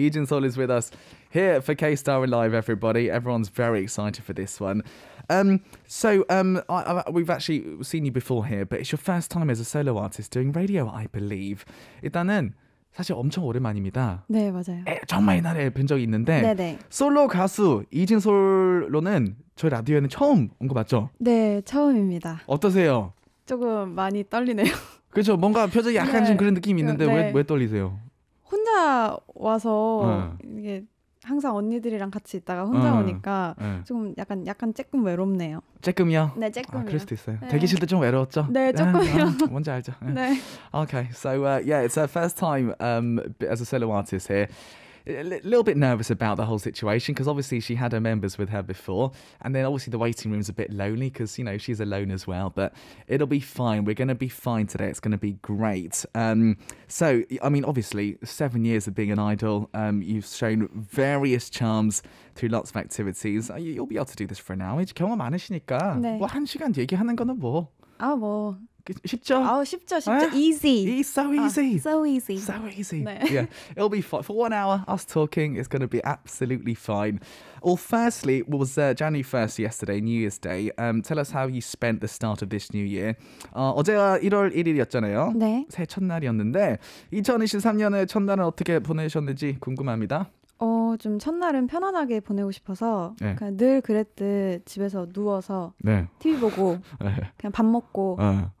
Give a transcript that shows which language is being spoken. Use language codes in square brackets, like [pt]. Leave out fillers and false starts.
[en] 이진솔 is with us here for K-Star Live. Everybody, everyone's very excited for this one. We've actually seen you before here, but it's your first time as a solo artist doing radio, I believe. [ko] 일단은 사실 엄청 오랜만입니다. 네, 맞아요. 정말 옛날에 뵌 적이 있는데 네네. 솔로 가수 이진솔로는 저희 라디오에는 처음 온 거 맞죠? 네, 처음입니다. 어떠세요? 조금 많이 떨리네요. 그렇죠. 뭔가 표정이 약간 네. 좀 그런 느낌이 있는데 네. 왜 떨리세요? 혼자 와서 이게 항상 언니들이랑 같이 있다가 혼자 오니까 조금 약간 조금 외롭네요. 조금요? 네, 조금요. 아, 그럴 수도 있어요. 네. 대기실 때 좀 외로웠죠? 네, 조금요. 뭔지 알죠? 네. [en] Okay, so yeah, it's our first time as a solo artist here. A little bit nervous about the whole situation because obviously she had her members with her before, and then obviously the waiting room's a bit lonely because, you know, she's alone as well, but it'll be fine. We're going to be fine today. It's going to be great. So, I mean, obviously, 7 years of being an idol, you've shown various charms through lots of activities. You'll be able to do this for an hour. [ko] 경험 많으시니까 뭐 한 시간 얘기하는 거는 뭐. 아, 뭐. 쉽죠? 아, 쉽죠. [en] Easy. So easy. 네. Yeah. It'll be fine. For 1 hour, us talking, it's going to be absolutely fine. Well, firstly, it was January 1st yesterday, New Year's Day. Tell us how you spent the start of this new year. [ko] 어제가 1월 1일이었잖아요. 네. 새 첫날이었는데 2023년의 첫날은 어떻게 보내셨는지 궁금합니다. 좀 첫날은 편안하게 보내고 싶어서 네. 그냥 늘 그랬듯 집에서 누워서 네. TV 보고 네. 그냥 밥 먹고 네.